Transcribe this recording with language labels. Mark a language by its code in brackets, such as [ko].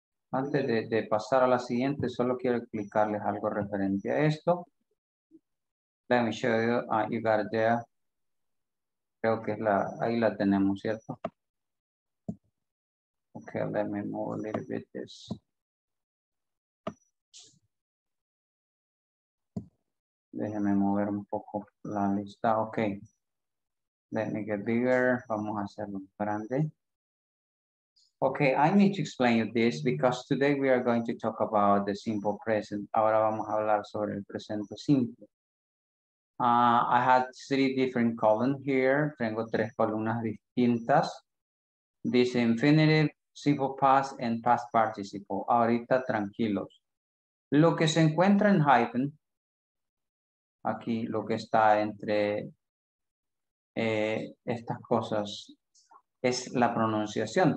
[es] Antes de pasar a la siguiente, solo quiero explicarles algo referente a esto. [en] Let me show you, you got it there. [es] Creo que es ahí la tenemos, ¿cierto? [en] Okay, let me move a little bit this. [es] Déjenme mover un poco la lista, okay. [en] Let me get bigger. [es] Vamos a hacerlo grande. [en] Okay, I need to explain you this because today we are going to talk about the simple present. [es] Ahora vamos a hablar sobre el presente simple. [en] I had three different columns here. [es] Tengo tres columnas distintas. [en] This infinitive, simple past, and past participle. [es] Ahorita tranquilos. Lo que se encuentra en hyphen, aquí lo que está entre estas cosas es la pronunciación.